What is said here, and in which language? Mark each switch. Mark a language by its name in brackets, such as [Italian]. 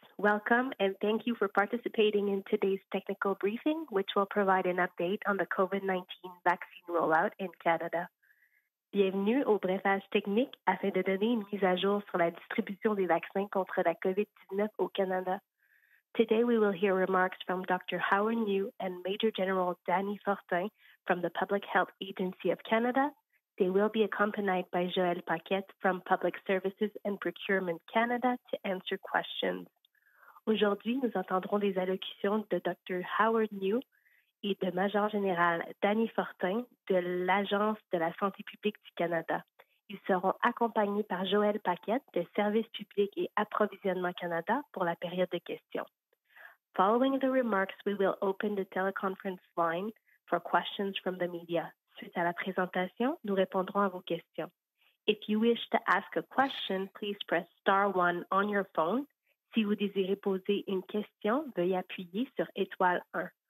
[English] Welcome and thank you for participating in today's technical briefing, which will provide an update on the COVID-19 vaccine rollout in Canada. [French] Bienvenue au briefage technique afin de donner une mise à jour sur la distribution des vaccins contre la COVID-19 au Canada. [English] Today we will hear remarks from Dr. Howard Njoo and Major-General Dany Fortin from the Public Health Agency of Canada. They will be accompanied by Joël Paquette from Public Services and Procurement Canada to answer questions. [French] Aujourd'hui, nous entendrons les allocutions de Dr. Howard Njoo et de Major Général Dany Fortin de l'Agence de la Santé publique du Canada. Ils seront accompagnés par Joël Paquette de Services publics et Approvisionnement Canada pour la période de questions. [English] Following the remarks, we will open the teleconference line for questions from the media. [French] Suite à la présentation, nous répondrons à vos questions. [English] If you wish to ask a question, please press star 1 on your phone. [French] Si vous désirez poser une question, veuillez appuyer sur étoile 1.